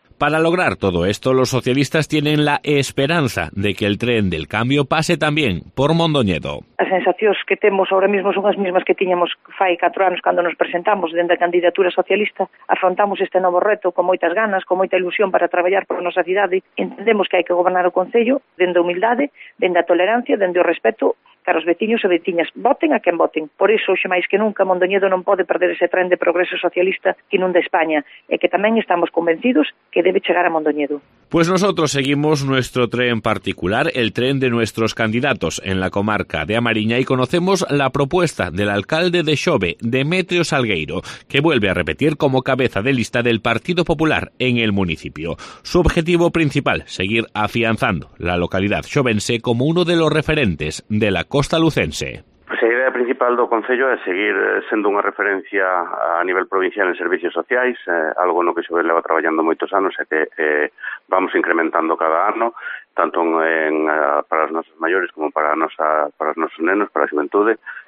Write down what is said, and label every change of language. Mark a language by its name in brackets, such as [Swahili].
[Spanish] Para lograr todo esto, los socialistas tienen la esperanza de que el tren del cambio pase también por Mondoñedo. [Galician] As sensacións que temos [Spanish] ahora mismo [Galician] son as mismas que tiñamos fai 4 anos cando nos presentamos dende a candidatura socialista. Afrontamos este novo reto con moitas ganas, con moita ilusión para traballar por a nosa cidade. Entendemos que hai que gobernar o concello dende a humildade, dende a tolerancia, dende o respeto para os veciños e veciñas. Voten a quen voten. Por iso, hoxe máis que nunca, Mondoñedo non pode perder ese tren de progreso socialista que inunda España e que tamén estamos convencidos que debe chegar a Mondoñedo. [Spanish] Pues nosotros seguimos nuestro tren particular, el tren de nuestros candidatos en la comarca de Amariña, y conocemos la propuesta del alcalde de Xove, Demetrio Salgueiro, que vuelve a repetir como cabeza de lista del Partido Popular en el municipio. Su objetivo principal, seguir afianzando la localidad xovense como uno de los referentes de la costa lucense. [Galician] A idea principal do concello é seguir sendo unha referencia a nivel provincial en servicios sociais, algo no que Xove leva traballando moitos anos e que vamos incrementando cada ano, tanto para os nosos maiores como para os nosos nenos, para a xuventude.